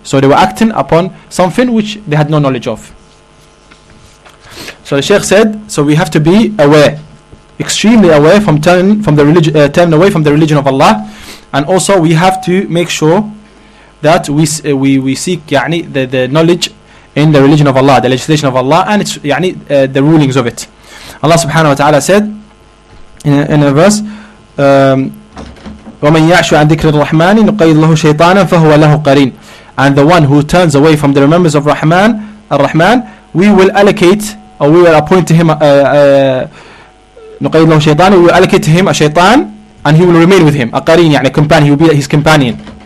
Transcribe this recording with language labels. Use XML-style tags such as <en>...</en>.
<en>So they were acting upon something which they had no knowledge of. So the Sheikh said, so we have to be aware, extremely aware from turning away from the religion of Allah. And also we have to make sure that we seek يعني, the knowledge in the religion of Allah, the legislation of Allah, and its يعني, the rulings of it. Allah subhanahu wa ta'ala said in a verse,</en> <ar>وَمَنْ يَعْشُ عَنْ ذِكْرِ الرَّحْمَنِ نُقَيِّدْ لَهُ شَيْطَانًا فَهُوَ لَهُ قَرِينٌ.</ar> <en>And the one who turns away from the remembrance of Rahman, Ar-Rahman, we will allocate, or we will appoint to him,</en> <ar>نُقَيِّدْ لَهُ شَيْطَانًا,</ar> <en>we will allocate to him a shaytan, and he will remain with him, a qareen, يعني a companion, he will be his companion.</en>